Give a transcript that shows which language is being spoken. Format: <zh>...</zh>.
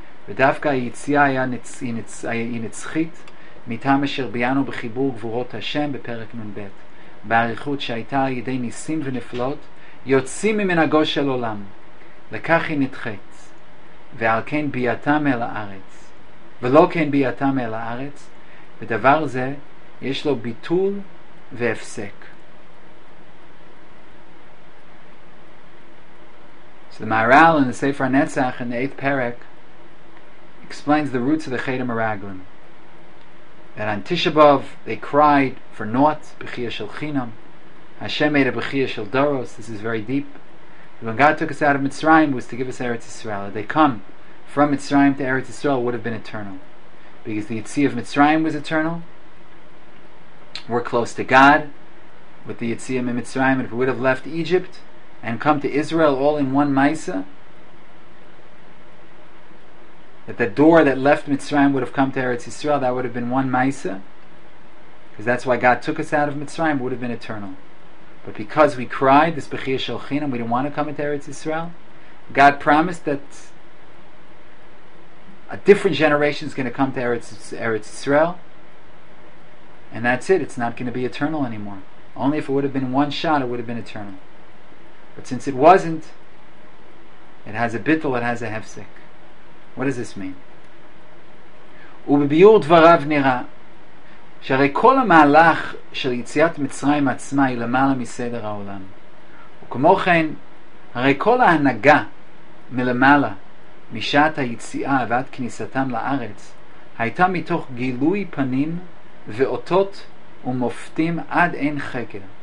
<he>ודווקא היציאה היא נצחית מטעם אשר ביאנו בחיבור גבורות השם בפרק נ"ב בעריכות שהייתה על ידי ניסים ונפלות יוצאים ממנהגו של עולם לכך היא נדחית ועל כן ביאתם אל הארץ ולא כן ביאתם אל הארץ ודבר זה יש לו ביטול והפסק</he> <en>So the Maharal in the Sefer HaNetzach in the 8th parak explains the roots of the Chayda Meraglim. That on Tisha B'Av, they cried for naught,</en> <he>B'chiyah Shel Chinam.</he> <en>Hashem made a</en> <he>B'chiyah Shel Doros.</he> <en>This is very deep. But when God took us out of Mitzrayim, it was to give us Eretz Yisrael. Had they come from Mitzrayim to Eretz Yisrael, would have been eternal. Because the Yitzi of Mitzrayim was eternal. We're close to God with the Yitzi of Mitzrayim. And if we would have left Egypt and come to Israel all in one Maisa, that the door that left Mitzrayim would have come to Eretz Yisrael, that would have been one Maisa, because that's why God took us out of Mitzrayim, would have been eternal. But because we cried, this</en> <he>Bechiyah Shel Chinam,</he> <en>we didn't want to come into Eretz Yisrael, God promised that a different generation is going to come to Eretz Yisrael, and that's it, it's not going to be eternal anymore. Only if it would have been one shot, it would have been eternal. But since it wasn't, it has a bittel, it has a hefsek. What does this mean?</en> <he>ובביור דבריו נראה שהרי כל המהלך של יציאת מצרים עצמה היא למעלה מסדר העולם. וכמו כן, הרי כל ההנהגה מלמעלה משעת היציאה ועד כניסתם לארץ הייתה מתוך גילוי פנים ואותות ומופתים עד אין חקר.</he>